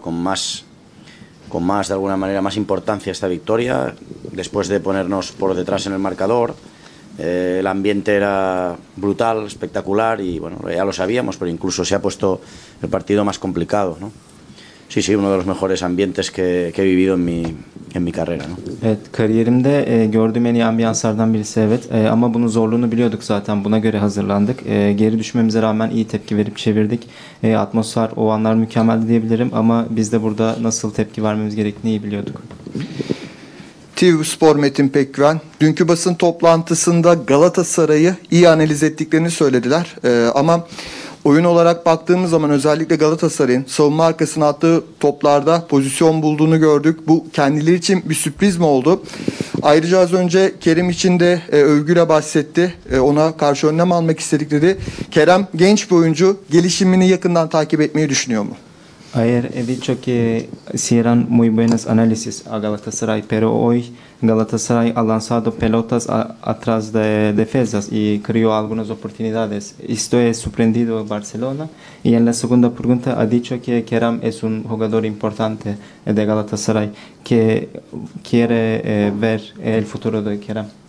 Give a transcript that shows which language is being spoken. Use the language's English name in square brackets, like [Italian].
[Spanish] Con más, de alguna manera, más importancia esta victoria. Después de ponernos por detrás en el marcador, el ambiente era brutal, espectacular, y bueno, ya lo sabíamos, pero incluso se ha puesto el partido más complicado, ¿no? Sí, uno de los mejores ambientes que he vivido en mi carrera, ¿no? [Turkish] Evet, kariyerimde gördüğüm en iyi ambiyanslardan birisi, evet. Ama bunun zorluğunu biliyorduk zaten. Buna göre hazırlandık. Geri düşmemize rağmen iyi tepki verip çevirdik. Atmosfer o anlar mükemmeldi diyebilirim. Ama biz de burada nasıl tepki vermemiz gerektiğini iyi biliyorduk. TV Spor Metin Pekgüven. Dünkü basın toplantısında Galatasaray'ı iyi analiz ettiklerini söylediler. Ama oyun olarak baktığımız zaman özellikle Galatasaray'ın savunma arkasına attığı toplarda pozisyon bulduğunu gördük. Bu kendileri için bir sürpriz mi oldu? Ayrıca az önce Kerem için de övgüyle bahsetti. Ona karşı önlem almak istedikleri. Kerem genç bir oyuncu, gelişimini yakından takip etmeyi düşünüyor mu? [Spanish] Ayer he dicho que hicieron muy buenos análisis a Galatasaray, pero hoy Galatasaray ha lanzado pelotas atrás de defensas y creó algunas oportunidades. Esto es sorprendido a Barcelona. Y en la segunda pregunta ha dicho que Kerem es un jugador importante de Galatasaray, que quiere ver el futuro de Kerem.